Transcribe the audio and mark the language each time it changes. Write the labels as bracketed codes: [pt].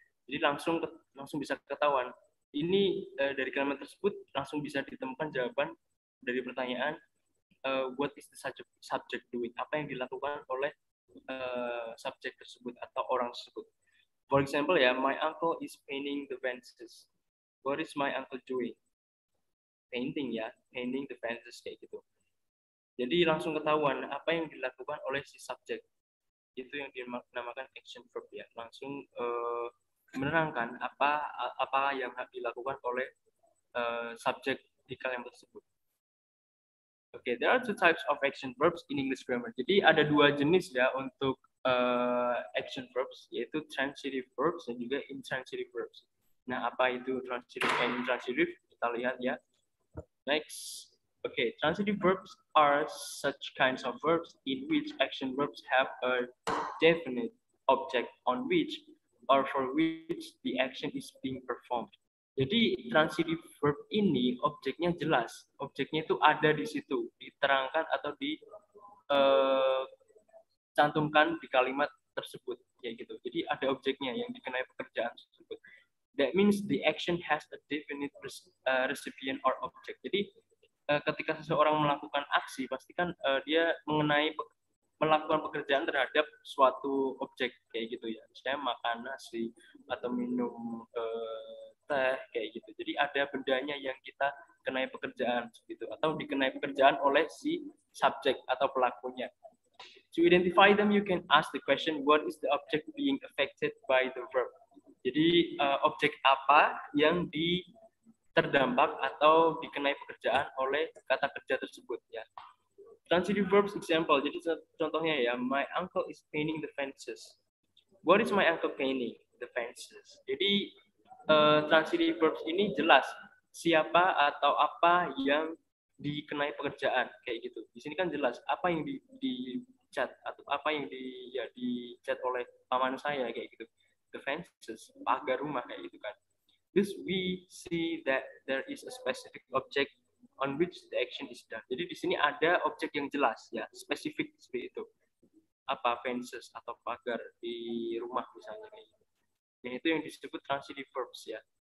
[id] Jadi langsung bisa ketahuan. Ini dari kalimat tersebut langsung bisa ditemukan jawaban dari pertanyaan [en] what is the subject doing? [id] Apa yang dilakukan oleh subject tersebut atau orang tersebut. [en] For example ya, my uncle is painting the fences. What is my uncle doing? Painting ya, painting the fences [id] kayak gitu. Jadi langsung ketahuan apa yang dilakukan oleh si subject. Itu yang dinamakan action verb ya. Langsung menerangkan apa yang dilakukan oleh subject di kalimat tersebut. [en] Okay, there are two types of action verbs in English grammar. [id] Jadi ada dua jenis ya untuk action verbs, yaitu transitive verbs dan juga intransitive verbs. Nah, apa itu transitive and intransitive? Kita lihat ya. Next. [en] Okay, transitive verbs are such kinds of verbs in which action verbs have a definite object on which or for which the action is being performed. [id] Jadi, transitive verb ini objeknya jelas. Objeknya itu ada di situ, diterangkan atau dicantumkan di kalimat tersebut. Ya gitu. Jadi, ada objeknya yang dikenai pekerjaan tersebut. [en] That means the action has a definite recipient or object. [id] Jadi ketika seseorang melakukan aksi, pastikan dia mengenai melakukan pekerjaan terhadap suatu objek kayak gitu ya. Misalnya makan nasi atau minum teh kayak gitu. Jadi ada bendanya yang kita kenai pekerjaan gitu atau dikenai pekerjaan oleh si subjek atau pelakunya. [en] To identify them, you can ask the question, what is the object being affected by the verb? [id] Jadi objek apa yang terdampak atau dikenai pekerjaan oleh kata kerja tersebut ya. [en] Transitive verbs example. [id] Jadi contohnya ya, [en] my uncle is painting the fences. What is my uncle painting? The fences. [id] Jadi transitive verbs ini jelas siapa atau apa yang dikenai pekerjaan kayak gitu. Di sini kan jelas apa yang dicat atau apa yang dicat oleh paman saya kayak gitu. [en] The fences, [id] pagar rumah kayak gitu kan. [en] This we see that there is a specific object on which the action is done. [id] Jadi di sini ada objek yang jelas ya, spesifik seperti itu. Apa fences atau pagar di rumah misalnya kayak gitu. Yang itu yang disebut transitive verbs ya.